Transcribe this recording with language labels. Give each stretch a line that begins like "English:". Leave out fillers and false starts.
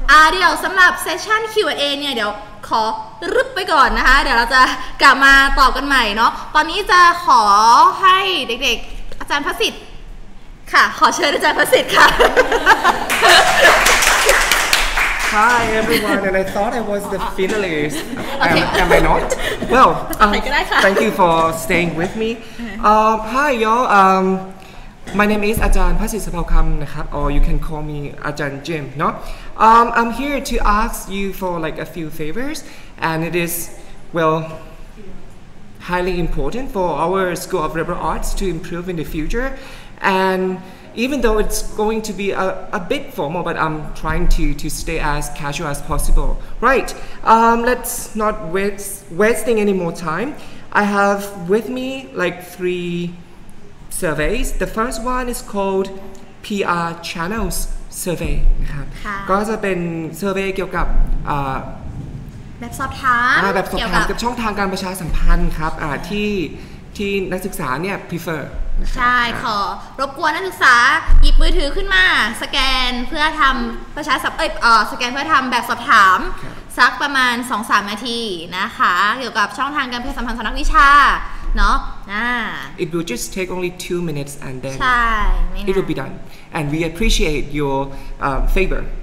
Thai: เดี๋ยวสำหรับเซสชั่น Q&A เนี่ยเดี๋ยวขอรึบไปก่อนนะคะเดี๋ยวเราจะกลับมาตอบกันใหม่เนาะตอนนี้จะขอให้เด็กๆอาจารย์ภสิทธิ์ค่ะขอเชิญอาจารย์ภสิทธิ์ค่ะ
English: Hi everyone and I thought I was the finalist am I not well thank you for staying with me hi y'all my name is Ajahn Phasit Saphaukham นะครับ or you can call me Ajahn Jim เนาะ I'm here to ask you for like a few favors and it is well highly important for our School of Liberal Arts to improve in the future andeven though it's going to be a bit formal, but I'm trying to stay as casual as possible. Right, let's not wasting any more time. I have with me like 3 surveys. The first one is called PR Channels Survey.
Thai: ก็จะเป็นเซอร์เวย์เกี่ยวกับ แบบสอบถาม แบบสอบถามกับช่องทางการประชาสัมพันธ์ครับที่นักศึกษาเนี่ย prefer ใช่ขอรบกวนนักศึกษาหยิบมือถือขึ้นมาสแกนเพื่อทำประชาสัมพันธ์สแกนเพื่อทำแบบสอบถามสักประมาณ 2-3 นาทีนะคะเกี่ยวกับช่องทางการประชาสัมพันธ์สำนักวิชาเนาะ
English: It will just take only 2 minutes and then
Thai: ใช่
English: It will be done and we appreciate your favor